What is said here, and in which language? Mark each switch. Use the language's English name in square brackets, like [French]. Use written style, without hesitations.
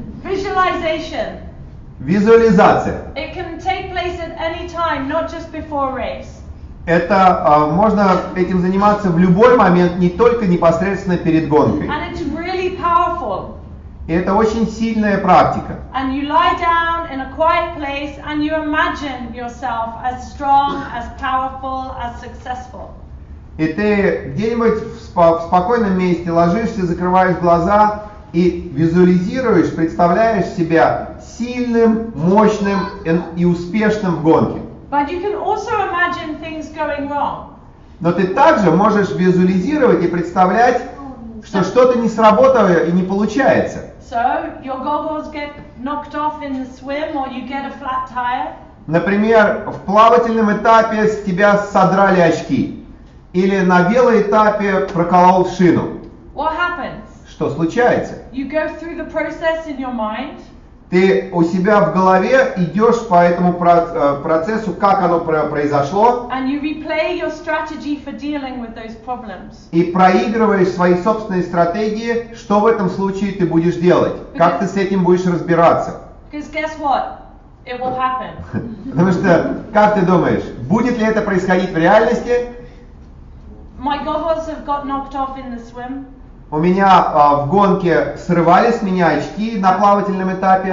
[English] Visualization. [Russian] Визуализация. [English] It can take place at any time, not just before race. [Russian] Это можно этим заниматься в любой момент, не только непосредственно перед гонкой. [English] And it's really powerful. [Russian] И это очень сильная практика. [English] And you lie down in a quiet place and you imagine yourself as strong, as powerful, as successful. [Russian] И ты где-нибудь в спокойном месте ложишься, закрываешь глаза и визуализируешь, представляешь себя сильным, мощным и успешным в гонке. [English] But you can also imagine things going wrong. [Russian] Но ты также можешь визуализировать и представлять, что что-то не сработало и не получается. [English] So, your goggles get knocked off in the swim, or you get a flat tire. [Russian] Например, в плавательном этапе с тебя содрали очки. Или на велоэтапе проколол шину. [English] What happens? [Russian] Что случается? [English] You go through the process in your mind. [Russian] Ты у себя в голове идешь по этому процессу, как оно произошло. [English] And you replay your strategy for dealing with those problems. [Russian] И проигрываешь свои собственные стратегии, что в этом случае ты будешь делать. [English] Because, [Russian] как ты с этим будешь разбираться. [English] Because guess what? It will happen. [Russian] Потому что, как ты думаешь, будет ли это происходить в реальности? [English] My goggles have got knocked off in the swim. [Russian] У меня в гонке срывались с меня очки на плавательном этапе.